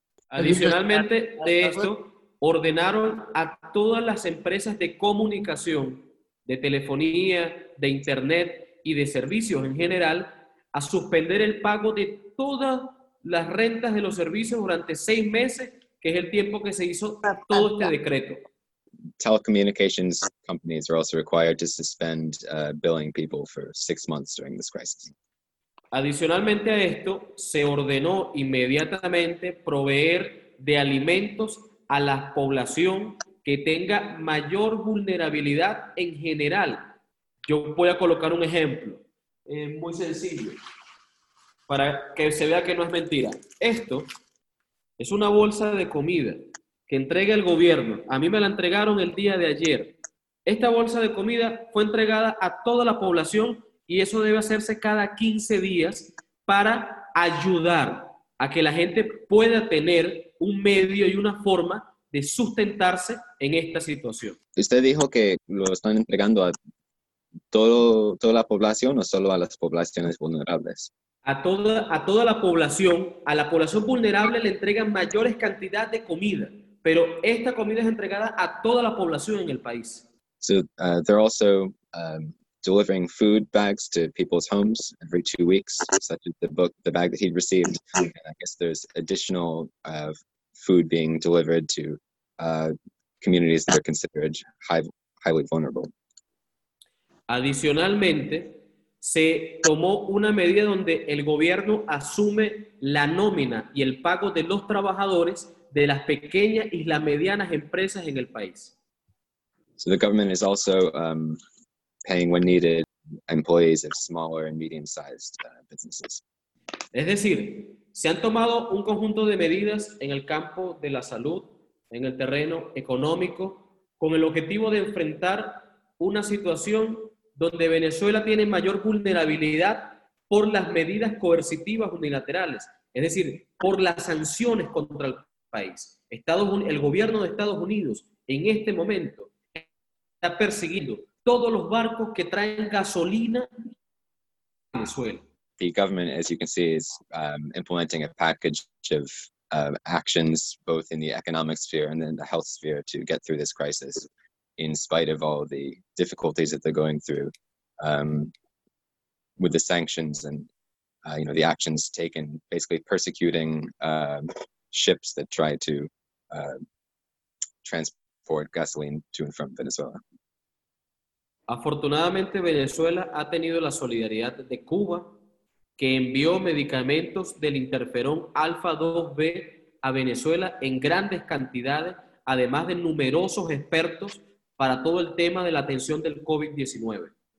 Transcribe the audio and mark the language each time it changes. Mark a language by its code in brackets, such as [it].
[es] Adicionalmente de esto, ordenaron a todas las empresas de comunicación, de telefonía, de internet y de servicios en general, a suspender el pago de todas las rentas de los servicios durante 6 meses, que es el tiempo que se hizo todo este decreto. [en] Telecommunications companies are also required to suspend billing people for 6 months during this crisis. [es] Adicionalmente a esto, se ordenó inmediatamente proveer de alimentos a la población que tenga mayor vulnerabilidad en general. Yo voy a colocar un ejemplo, muy sencillo, para que se vea que no es mentira. Esto es una bolsa de comida que entrega el gobierno. A mí me la entregaron el día de ayer. Esta bolsa de comida fue entregada a toda la población y eso debe hacerse cada 15 días para ayudar a que la gente pueda tener un medio y una forma de sustentarse en esta situación. Usted dijo que lo están entregando a toda la población o solo a las poblaciones vulnerables. A toda la población. A la población vulnerable le entregan mayores cantidades de comida, pero esta comida es entregada a toda la población en el país. [en] So they're also delivering food bags to people's homes every 2 weeks, such as the bag that he'd received. And I guess there's additional food being delivered to communities that are considered highly vulnerable. [es] Adicionalmente, se tomó una medida donde el gobierno asume la nómina y el pago de los trabajadores de las pequeñas y las medianas empresas en el país. [en] So the government is also paying when needed employees of smaller and medium-sized businesses. [es] Es decir, se han tomado un conjunto de medidas en el campo de la salud, en el terreno económico, con el objetivo de enfrentar una situación donde Venezuela tiene mayor vulnerabilidad por las medidas coercitivas unilaterales, es decir, por las sanciones contra el país. El gobierno de Estados Unidos en este momento está persiguiendo todos los barcos que traen gasolina a Venezuela. [en] The government, as you can see, is implementing a package of actions both in the economic sphere and then the health sphere to get through this crisis, in spite of all the difficulties that they're going through with the sanctions and the actions taken, basically persecuting ships that try to transport gasoline to and from Venezuela. [es] Afortunadamente, Venezuela ha tenido la solidaridad de Cuba, que envió medicamentos del interferón alfa 2B a Venezuela en grandes cantidades, además de numerosos expertos para todo el tema de la atención del COVID-19.